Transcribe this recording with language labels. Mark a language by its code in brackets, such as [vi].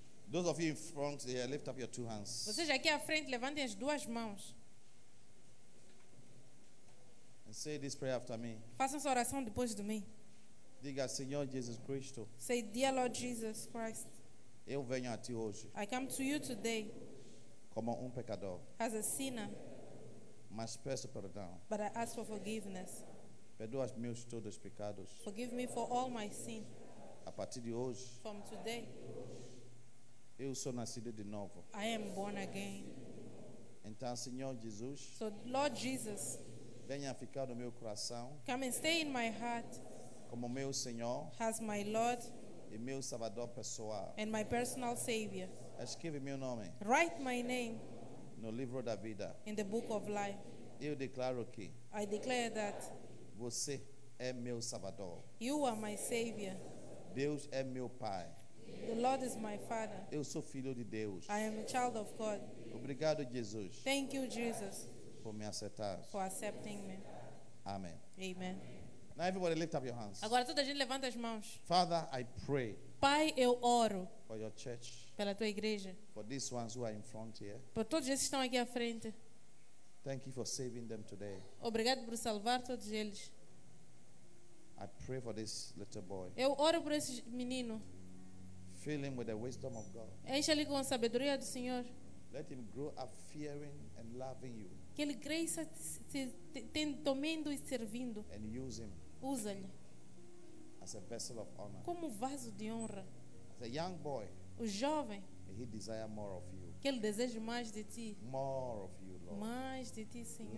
[en] Those of you in front, yeah, lift up your two hands. [pt] Vocês aqui à frente, levantem as duas mãos. [en] And say this prayer after me. [pt] Façam essa oração depois de mim. Diga, Senhor Jesus Cristo. [en] Say, dear Lord Jesus Christ. [pt] Eu venho a ti hoje. [en] I come to you today. [pt] Como pecador. [en] As a sinner. [pt] Mas peço perdão. [en] But I ask for forgiveness. [pt] Perdoa meus todos pecados. [en] Forgive me for all my sin. [pt] A partir de hoje. [en] From today. [pt] Eu sou nascido de novo. [en] I am born again. [pt] Então, Senhor Jesus. [en] So, Lord Jesus. [pt] Venha ficar no meu coração. [en] Come and stay in my heart. [pt] Como meu Senhor. [en] As my Lord. [pt] E meu salvador pessoal. [en] And my personal savior. [pt] Escreve meu nome. [en] Write my name. [pt] No livro da vida. [en] In the book of life. [pt] Eu declaro que. [en] I declare that. [pt] Você é meu salvador. [en] You are my savior. [pt] Deus é meu pai. [en] The Lord is my father. [pt] Eu sou filho de Deus. [en] I am a child of God. [pt] Obrigado, Jesus. [en] Thank you, Jesus. [pt] Por me aceitar. [en] For accepting me. Amen. Amen. Now everybody lift up your hands. [pt] Agora toda a gente levanta as mãos. [en] Father, I pray. [pt] Pai, eu oro. [en] For your church. [pt] Pela tua igreja. [en] For these ones who are in front here. [pt] Por todos esses que estão aqui à frente. [en] Thank you for saving them today. [pt] Obrigado por salvar todos eles. [en] I pray for this little boy. [pt] Eu oro por esse menino. [en] Fill him with the wisdom of God. [pt] Enche-lhe com a sabedoria do Senhor. [en] Let him grow up fearing and loving you. [pt] Que ele cresça temendo e servindo. [en] And use him. [pt] Usa-lhe. [en] As a vessel of honor. [pt] Como vaso de honra. [en] As a young boy. [pt] O jovem. [en] He desire more of you. [pt] Que ele deseje mais de ti. [en] More of you, Lord. [pt] Mais de ti, Senhor.